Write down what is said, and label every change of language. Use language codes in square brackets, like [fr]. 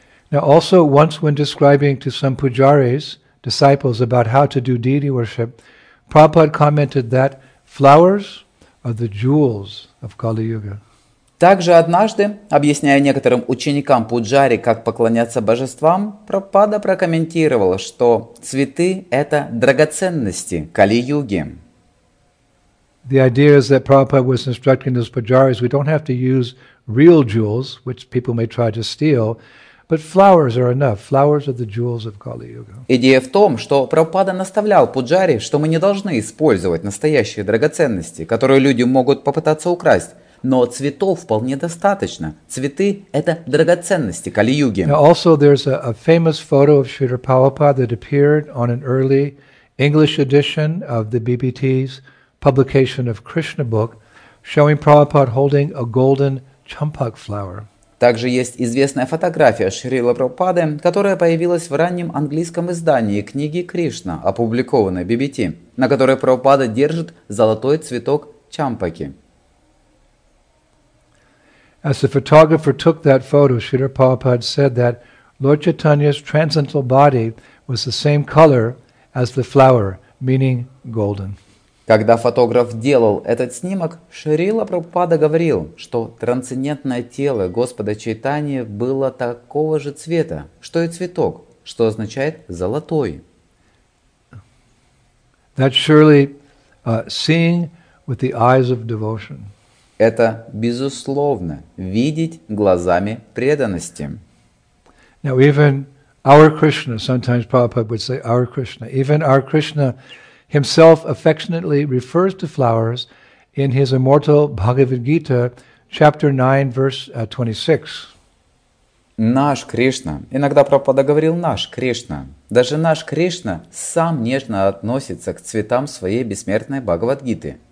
[en] Now also, once when describing to some pujaris, disciples, about how to do deity worship, Prabhupada commented that flowers are the jewels of Kali Yuga. [ru] Также однажды, объясняя некоторым ученикам пуджари, как поклоняться божествам, Прабхупада прокомментировал, что цветы – это драгоценности Кали Юги. [en] The idea is that Prabhupada was instructing those pujaris, we don't have to use real jewels, which people may try to steal, but flowers are enough. Flowers are the jewels of Kali Yuga. [ru] Идея в том, что Прабхупада наставлял пуджари, что мы не должны использовать настоящие драгоценности, которые люди могут попытаться украсть, но цветов вполне достаточно. Цветы – это драгоценности Кали Юги. [en] Now also, there's a famous photo of Srila Prabhupada that appeared on an early English edition of the BBT's publication of Krishna book, showing Prabhupada holding a golden champak flower. [ru] Также есть известная фотография Шрилы Прабхупады, которая появилась в раннем английском издании книги Кришна, опубликованной BBT, на которой Прабхупада держит золотой цветок чампаки. [en] As the photographer took that photo, Srila Prabhupada said that Lord Chaitanya's transcendental body was the same color as the flower, meaning golden. [ru] Когда фотограф делал этот снимок, Шрила Прабхупада говорил, что трансцендентное тело Господа Чайтаньи было такого же цвета, что и цветок, что означает «золотой». [en] That surely, seeing with the eyes of devotion. [ru] Это, безусловно, видеть глазами преданности. [en] Now even our Krishna, sometimes Prabhupada would say our Krishna, even our Krishna himself affectionately refers to flowers in his immortal Bhagavad Gita, chapter 9, verse 26. [ru] Наш Кришна, иногда Прабхупада говорил наш Кришна, даже наш Кришна сам нежно относится к цветам своей бессмертной Бхагавад-гиты.